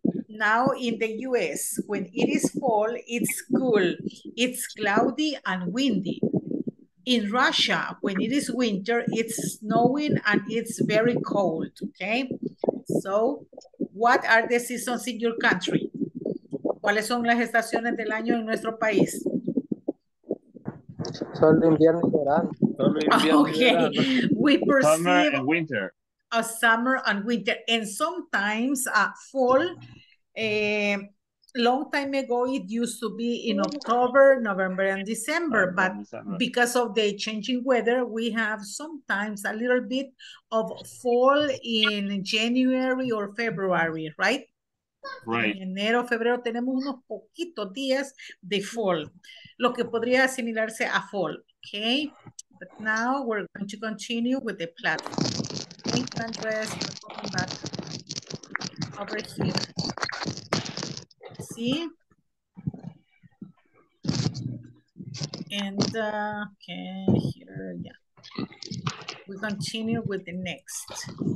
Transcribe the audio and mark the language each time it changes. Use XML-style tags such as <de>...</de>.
<en>Now in the US, when it is fall, it's cool. It's cloudy and windy. In Russia, when it is winter, it's snowing and it's very cold, okay? So, what are the seasons in your country?</en> <es>¿Cuáles son las estaciones del año en nuestro país? Sol, invierno y verano.</es> <en>Okay, we perceive... Summer and winter. A summer and winter. And sometimes fall, long time ago, it used to be in October, November, and December, but because of the changing weather, we have sometimes a little bit of fall in January or February, right? Right.</en> <es>En enero, febrero, tenemos unos poquitos días de fall, lo que podría asimilarse a fall, okay?</es> <en>But now we're going to continue with the platform. Thank you, Andres, for coming back over here. And okay, here, yeah, we continue with the next.</en>